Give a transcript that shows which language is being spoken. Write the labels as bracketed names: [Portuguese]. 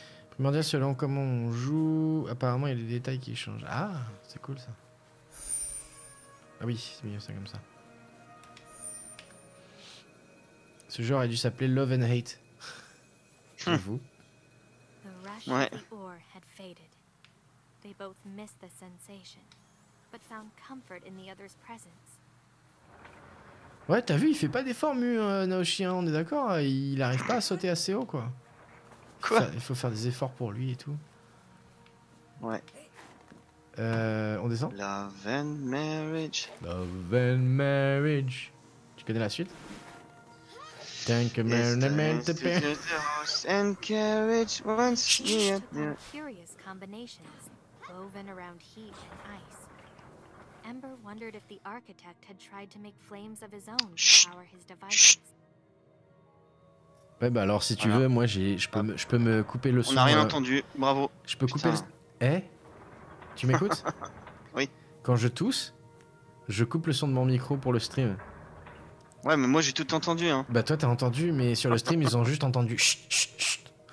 [French] Primordia, selon comment on joue, apparemment il y a des détails qui changent. Ah c'est cool ça. Ah oui, c'est mieux ça comme ça. Ce jeu aurait dû s'appeler Love and Hate. Vous. [English] The rush ouais. Of the ore had faded. They both missed the sensation, but found comfort in the other's presence. [French] Ouais, t'as vu, il fait pas d'effort, Mu, Naoshi, on est d'accord, il arrive pas à sauter assez haut, quoi. Quoi? Il faut faire des efforts pour lui et tout. Ouais. On descend. [English] Love and marriage. Love and marriage. [French] Tu connais la suite? [English] Thank you, [French] Merlinette. [English] And carriage once again. Curious combinations woven around heat and ice. Ember wondered if the architect had tried to make flames of his own to power his devices. [French] Ouais, bah alors, si tu voilà. Veux, moi je peux me couper le son. On a rien entendu, bravo. Je peux couper le. Eh? Tu m'écoutes? Oui. Quand je tousse, je coupe le son de mon micro pour le stream. Ouais, mais moi j'ai tout entendu, hein. Bah toi t'as entendu, mais sur le stream ils ont juste entendu chut, chut, chut.